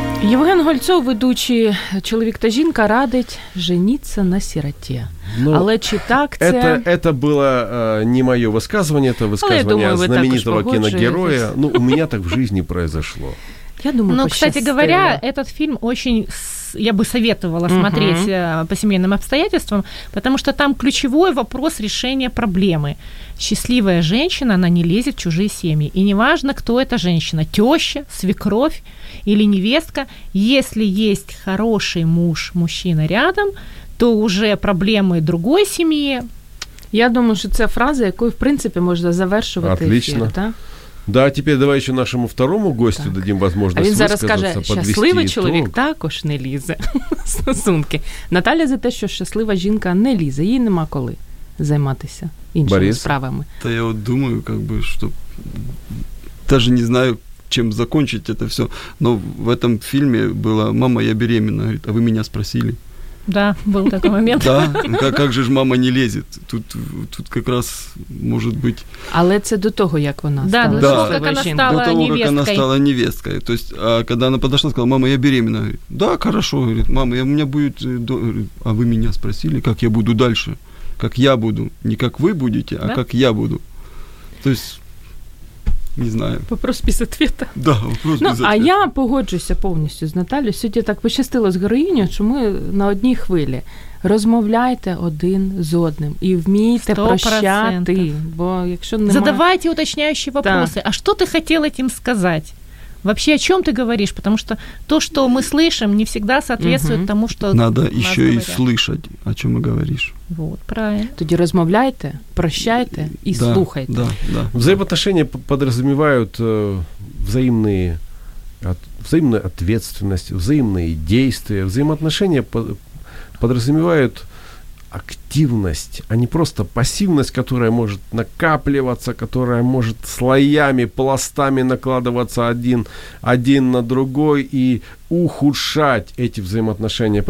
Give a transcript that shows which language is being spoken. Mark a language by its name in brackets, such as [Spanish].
[Ukrainian] Євген Гольцов, ведучий «Чоловік та жінка», радить жениться на сироті. Ну, але чи так це... Это було не моє висказування, це висказування знаменитого кіногероя. Ну, у мене так в житті произошло. [Russian] Я думаю, ну, кстати говоря, этот фильм очень, я бы советовала смотреть по семейным обстоятельствам, потому что там ключевой вопрос решения проблемы. Счастливая женщина, она не лезет в чужие семьи. И неважно, кто эта женщина, теща, свекровь или невестка, если есть хороший муж, мужчина рядом, то уже проблемы другой семьи. Я думаю, что это фраза, которую, в принципе, можно завершивать эфир. Отлично. Да? Да, теперь давай еще нашему второму гостю так. Дадим возможность высказаться, подвести итог. [Ukrainian] А він зараз каже, щасливий чоловік також не лізе стосунки. Наталя за те, що щаслива жінка не лізе, їй нема коли займатися іншими Борис, справами. Та я от думаю, [Russian] как бы, [Ukrainian] що навіть не знаю, [Russian] чем закончить это все. Но в этом фильме было: «Мама, я беременна». Говорит: «А вы меня спросили?» Да, был такой момент. Да, как же ж мама не лезет? Тут как раз может быть. [Ukrainian] Але це до того, як вона стала. [Russian] Да, до того, как она стала невесткой. То есть, а когда она подошла, сказала: «Мама, я беременна». Говорит: «Да, хорошо». Говорит: «Мама, у меня будет...» Говорит: «А вы меня спросили, как я буду дальше? Как я буду? Не как вы будете, а как я буду?» То есть... Не знаю. Вопрос без ответа. Да, вопрос без ответа. [Ukrainian] А я погоджуся повністю з Наталією. Сьогодні так пощастило з героїнею, що ми на одній хвилі. Розмовляйте один з одним і вмійте 100%. Прощати. Бо якщо немає... Задавайте уточняющі вопроси. Да. А що ти хотіла цим сказати? [Russian] Вообще, о чем ты говоришь? Потому что то, что мы слышим, не всегда соответствует тому, что... Надо еще и слышать, о чем мы говоришь. Вот, правильно. [Ukrainian] Тоді розмовляйте, прощайте и слухайте. [Russian] Да, да. Взаимоотношения подразумевают взаимную ответственность, взаимные действия. Взаимоотношения подразумевают активность, а не просто пассивность, которая может накапливаться, которая может слоями, пластами накладываться один на другой и ухудшать эти взаимоотношения.